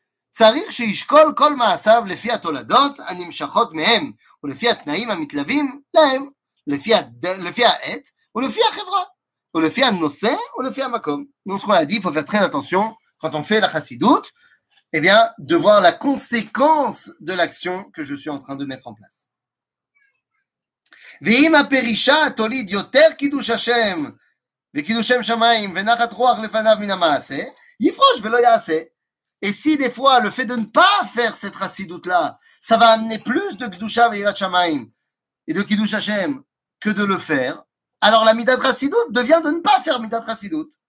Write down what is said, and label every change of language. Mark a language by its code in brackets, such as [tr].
[he] צריך שישקול כל מעשיו לפי התולדות הנמשכות מהם ולפי התנאים המתלווים להם, לפי העת ולפי החברה, ולפי הנושא ולפי המקום. [fr] Nous on a dit, il faut faire très attention quand on fait la chassidut, eh bien, de voir la conséquence de l'action que je suis en train de mettre en place. [he] ואם הפרישה תוליד יותר קידוש השם וקידוש שם שמיים ונחת רוח לפניו מן המעשה, יפרוש ולא יעשה. [fr] Et si des fois le fait de ne pas faire cette chassidut là, ça va amener plus de kedusha ve'yirat shamayim et de kiddush Hashem que de le faire, alors la midat chassidut devient de ne pas faire midat chassidut.